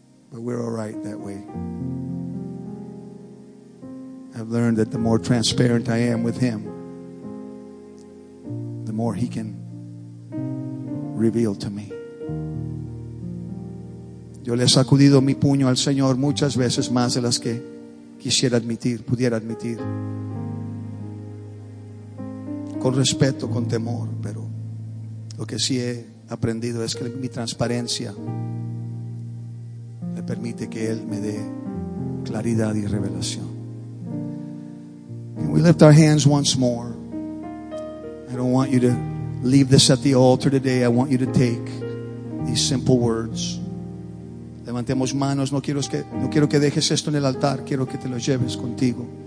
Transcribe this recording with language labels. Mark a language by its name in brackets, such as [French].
[English] But we're all right that way. I've learned that the more transparent I am with him, the more he can reveal to me. [Spanish] Yo le he sacudido mi puño al Señor muchas veces más de las que quisiera admitir, pudiera admitir. Con respeto, con temor, pero lo que sí he aprendido es que mi transparencia le permite que Él me dé claridad y revelación. [English] Can we lift our hands once more? I don't want you to leave this at the altar today. I want you to take these simple words. [Spanish] Levantemos manos. No quiero que dejes esto en el altar. Quiero que te lo lleves contigo.